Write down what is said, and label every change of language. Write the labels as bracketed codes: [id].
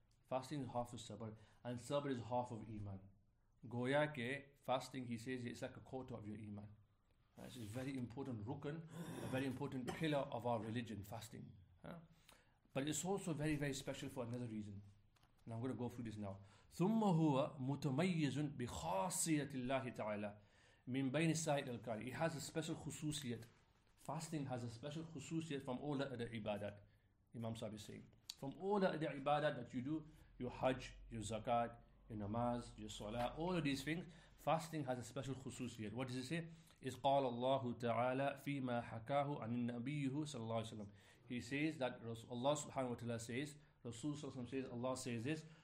[en] Fasting is half of sabr, and sabr is half of iman. Goya ke fasting, he says, it's like a quarter of your iman. This is very important rukun, a very important pillar of our religion, fasting. But it's also very, very special for another reason. And I'm going to go through this now. [ar] ثُمَّ هُوَ مُتَمَيِّزٌ بِخَاصِيَةِ اللَّهِ تَعَالَى مِنْ بَيْنِ سَائِرِ الْأَرْكَانِ [en] It has a special khususiyat. Fasting has a special khususiyat from all the other ibadat, Imam Sahib is saying. From all the other ibadah that you do, your hajj, your zakat, your namaz, your salah, all of these things, fasting has a special khususiyat. What does it say? It's [ar] قَالَ اللَّهُ تَعَالَى فِي مَا حَكَاهُ عَنِ النَّبِيِّهُ صلى الله عليه وسلم. [en] He says that Allah subhanahu wa ta'ala says, Rasul says, Allah says this,